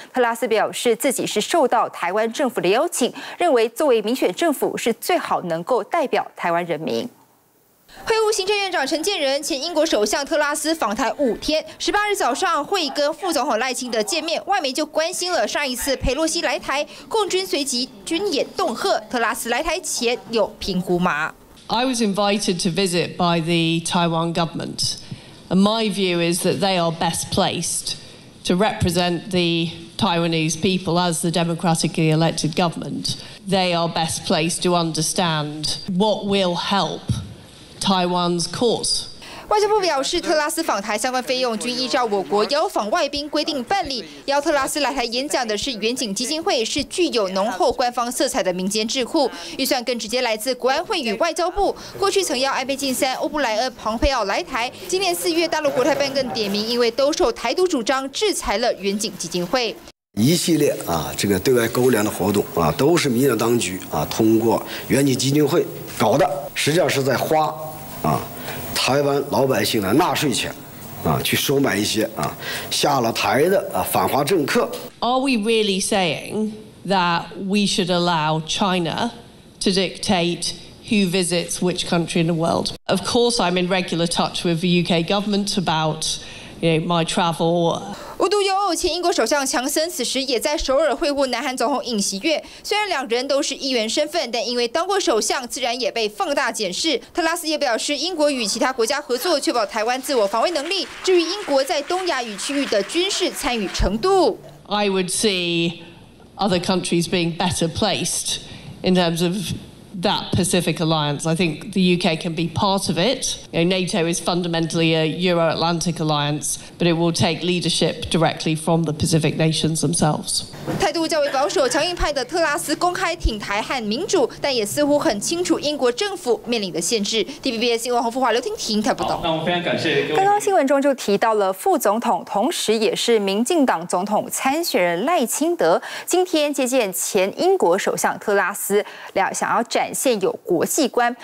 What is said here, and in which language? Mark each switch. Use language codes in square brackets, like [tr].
[zh] 特拉斯表示自己是受到台湾政府的邀请，认为作为民选政府是最好能够代表台湾人民。会晤行政院长陈建仁，前英国首相特拉斯访台五天，18日早上会跟副总统赖清德见面，外媒就关心了上一次佩洛西来台，共军随即军演恫吓，特拉斯来台前有评估吗 [en] ？I was invited to visit by the Taiwan government, and my view is that they are best placed to represent the Taiwanese people as the democratically elected government. They are best placed to understand what will help. Taiwan's course. [zh] 外交部表示，特拉斯访台相关费用均依照我国邀访外宾规定办理。邀特拉斯来台演讲的是远景基金会，是具有浓厚官方色彩的民间智库，预算更直接来自国安会与外交部。过去曾邀安倍晋三、欧布莱恩、蓬佩奥来台，今年4月大陆国台办更点名，因为兜售台独主张，制裁了远景基金会。一系列啊，这个对外勾连的活动啊，都是民进党当局啊通过远景基金会搞的，实际上是在花。台湾老百姓的纳税钱，去收买一些下了台的反华政客。 [en] Are we really saying that we should allow China to dictate who visits which country in the world? Of course, I'm in regular touch with the UK government about, you know, my travel. [zh] 无独有偶，前英国首相强森此时也在首尔会晤南韩总统尹锡悦。虽然两人都是议员身份，但因为当过首相，自然也被放大检视。特拉斯也表示，英国与其他国家合作，确保台湾自我防卫能力。至于英国在东亚与区域的军事参与程度 [en] ，I would see other countries being better placed in terms of that Pacific alliance. I think the UK can be part of it. You know, NATO is fundamentally a Euro-Atlantic alliance, but it will take leadership directly from the Pacific nations themselves. [zh] 态度较为保守、强硬派的特拉斯公开挺台和民主，但也似乎很清楚英国政府面临的限制。 TVBS 新闻黄富华、刘婷婷看不懂。那我们非常感谢各位。刚刚新闻中就提到了副总统，同时也是民进党总统参选人赖清德，今天接见前英国首相特拉斯，想要展现有国际观。